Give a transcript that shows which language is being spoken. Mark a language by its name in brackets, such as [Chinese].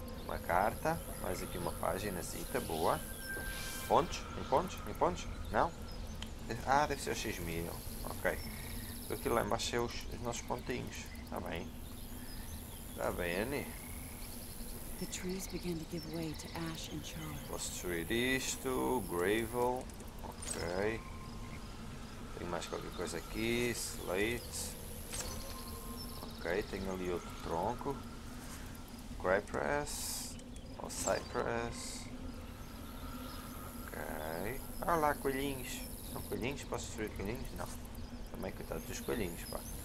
[Portuguese] Uma carta, mais aqui uma paginazinha, boa. Pontos? Em pontos? Em pontos? Não? Ah, deve ser os 6.000. Ok. Aquilo lá embaixo é os nossos pontinhos. Tá bem. Tá bem, Annie. [English] The trees began to give way to ash and char. [Portuguese] Posso destruir isto. Gravel. Ok. Tem mais qualquer coisa aqui. Slate. Ok, tem ali outro tronco. Crypress. O Cypress. Ok. Olha lá, coelhinhos. São coelhinhos? Posso destruir coelhinhos? Não. Também coitado dos coelhinhos, pá.